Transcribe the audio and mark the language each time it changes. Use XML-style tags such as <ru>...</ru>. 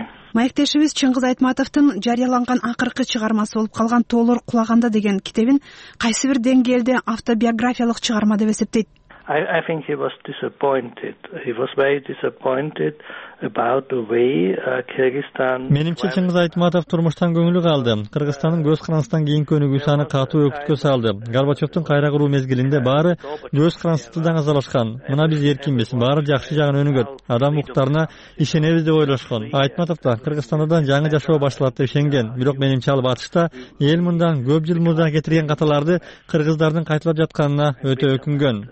<ky>Маектешибиз Чыңгыз Айтматовдун жарыяланган акыркы чыгармасы болуп калган Тоолор кулаганда деген китебин кайсы бир деңгээлде автобиографиялык чыгарма деп эсептейт.</ky> <en>I think he was disappointed. He was very disappointed about the way Kyrgyzstan.</en> <ky>Менимче Чыңгыз Айтматов турмуштан көңүлү калды. Кыргызстандын көз карандысынан кийинки өнүгүүсү аны катуу өкүткө салды. Горбачевдин кайра куруу мезгилинде баары көз карандысынан азалашкан. Мына биз эркинбиз, баары жакшы жагын өнүгөт. Адам укуктарына ишенебиз деп ойлошкон. Айтматов да Кыргызстандан жаңы жашоо башталат деп ишенген. Бирок менимче ал батышта эл мындан көп жыл мурда кетирген каталарды кыргыздардын кайталап жатканына өтө өкүнгөн.</ky>